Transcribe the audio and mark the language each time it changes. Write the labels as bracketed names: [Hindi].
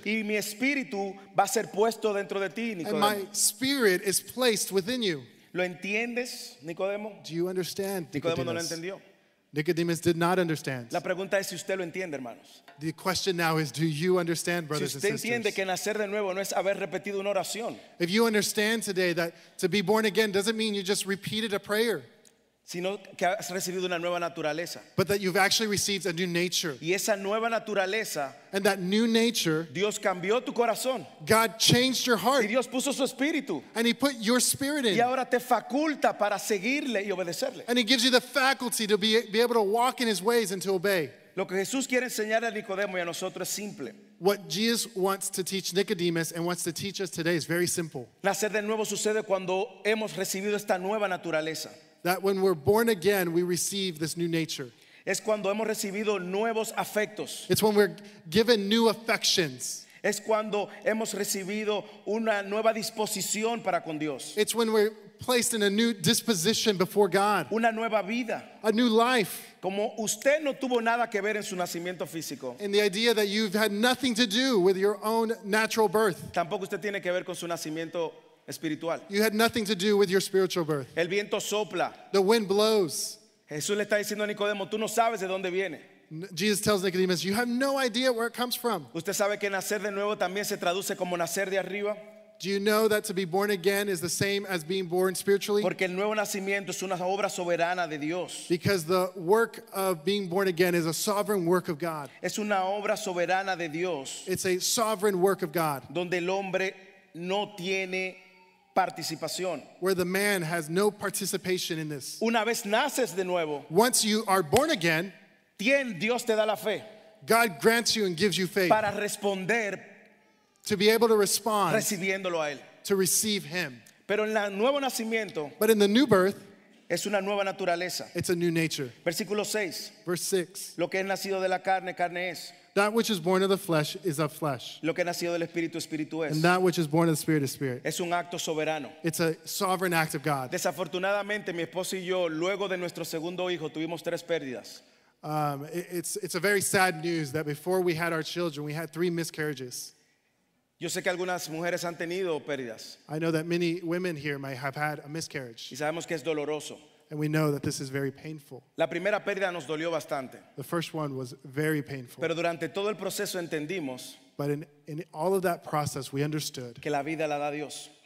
[Spanish] Y mi espíritu va a ser puesto dentro de ti, Nicodemo. [English] And my spirit is placed within you. [Spanish] ¿Lo entiendes, Nicodemo? [English] Do you understand, Nicodemus? [Spanish] Nicodemo no lo entendió. [English] Nicodemus did not understand. [Spanish] La pregunta es si usted lo entiende, hermanos. [English] The question now is, do you understand, brothers [Spanish] si usted [English] and sisters? [Spanish] Entiende que nacer de nuevo no es haber repetido una oración. [English] If you understand today that to be born again doesn't mean you just repeated a prayer. [Spanish] Sino que has recibido una nueva naturaleza. [English] But that you've actually received a new nature. [Spanish] Y esa nueva naturaleza. [English] And that new nature. [Spanish] Dios cambió tu corazón. [English] God changed your heart. [Spanish] Y Dios puso su espíritu. [English] And he put your spirit in. [Spanish] Y ahora te faculta para seguirle y obedecerle. [English] And he gives you the faculty to be able to walk in his ways and to obey. [Spanish] Lo que Jesús quiere enseñar a Nicodemo y a nosotros es simple. [English] What Jesus wants to teach Nicodemus and wants to teach us today is very simple. [Spanish] Nacer de nuevo sucede cuando hemos recibido esta nueva naturaleza. [English] That when we're born again, we receive this new nature. [Spanish] Es cuando hemos recibido nuevos afectos. [English] It's when we're given new affections. [Spanish] Es cuando hemos recibido una nueva disposición para con Dios. [English] It's when we're placed in a new disposition before God. [Spanish] Una nueva vida. [English] A new life. [Spanish] Como usted no tuvo nada que ver en su nacimiento físico. [English] And the idea that you've had nothing to do with your own natural birth. [Spanish] Tampoco usted tiene que ver con su nacimiento espiritual. [English] You had nothing to do with your spiritual birth. [Spanish] El viento sopla. [English] The wind blows. [Spanish] Jesús le está diciendo a Nicodemo, tú no sabes de dónde viene. [English] Jesus tells Nicodemus, you have no idea where it comes from. [Spanish] ¿Usted sabe que nacer de nuevo también se traduce como nacer de arriba? [English] Do you know that to be born again is the same as being born spiritually? [Spanish] Porque el nuevo nacimiento es una obra soberana de Dios. [English] Because the work of being born again is a sovereign work of God. [Spanish] Es una obra soberana de Dios. [English] It's a sovereign work of God. [Spanish] Donde el hombre no tiene participación. [English] Where the man has no participation in this. [Spanish] Una vez naces de nuevo. [English] Once you are born again, [Spanish] Dios te da la fe. [English] God grants you and gives you faith. [Spanish] Para responder. [English] To be able to respond. [Spanish] Recibiéndolo a él. [English] To receive him. [Spanish] Pero en el nuevo nacimiento. [English] But in the new birth. [Spanish] Es una nueva naturaleza. [English] It's a new nature. [Spanish] Versículo 6. [English] Verse 6. [Spanish] Lo que es nacido de la carne, carne es. [English] That which is born of the flesh is of flesh. [Spanish] Lo que ha nacido del espíritu, espíritu es. [English] And that which is born of the spirit is spirit. [Spanish] Es un acto soberano. [English] It's a sovereign act of God. [Spanish] Desafortunadamente, mi esposo y yo, luego de nuestro segundo hijo, tuvimos tres pérdidas. [English] It's a very sad news that before we had our children, we had three miscarriages. [Spanish] Yo sé que algunas mujeres han tenido pérdidas. [English] I know that many women here might have had a miscarriage. [Spanish] Y sabemos que es doloroso. [English] And we know that this is very painful. [Spanish] La primera pérdida nos dolió bastante. [English] The first one was very painful. [Spanish] Pero durante todo el proceso entendimos. [English] But in all of that process, we understood [Spanish] que la vida la da Dios.